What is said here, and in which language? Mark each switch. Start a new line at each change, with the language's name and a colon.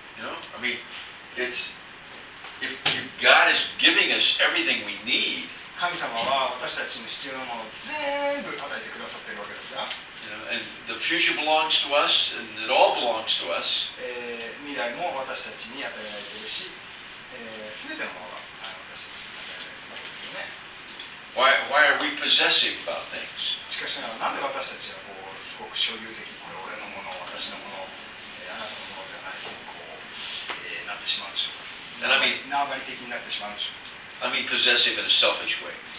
English: You know, I mean, it's if God is giving us everything we need,
Japanese: 神様は私たちに必要なものを全部与えてくださっているわけですが、
English: you know, and the future belongs to us, and it all belongs to us.
Japanese: 未来も私たちに与えられているし、すべてのものが私たちに与えられているわけですよね。
English: Why are we possessive about things?
Japanese: しかしながら、なんで私たちはこうすごく所有的、これ俺のもの、私のもの、あなたのものではないとこう、なってしまうんでしょうか。
English: And I mean,
Japanese: 縄張り的になってしまうんでしょうか。
English: I mean possessive in a selfish way.